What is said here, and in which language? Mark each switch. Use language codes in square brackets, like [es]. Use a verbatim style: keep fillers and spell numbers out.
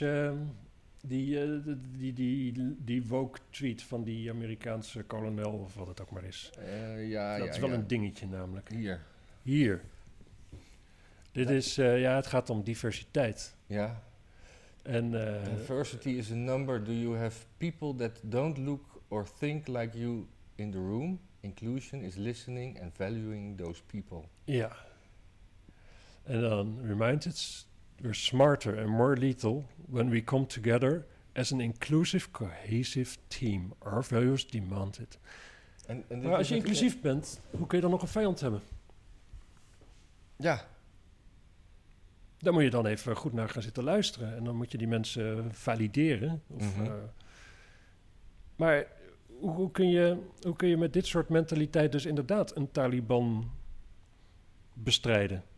[nl] Uh, Die, uh, die, die, die, die woke tweet van die Amerikaanse kolonel, of wat het ook maar is. Uh, ja, dat ja, is wel ja. een dingetje namelijk. Hier. Hier. Dit ja. is, uh, ja, het gaat om diversiteit. Ja. En, uh, [en] diversity is a number. Do you have people that don't look or think like you in the room? Inclusion is listening and valuing those people. [nl] Ja. En dan [en] reminded... We're smarter and more lethal when we come together as an inclusive, cohesive team. Our values demand it. [nl] En, en maar als je inclusief het, bent, hoe kun je dan nog een vijand hebben? Ja. Daar moet je dan even goed naar gaan zitten luisteren. En dan moet je die mensen valideren. Of, mm-hmm. uh, maar hoe, hoe, kun je, hoe kun je met dit soort mentaliteit dus inderdaad een Taliban bestrijden?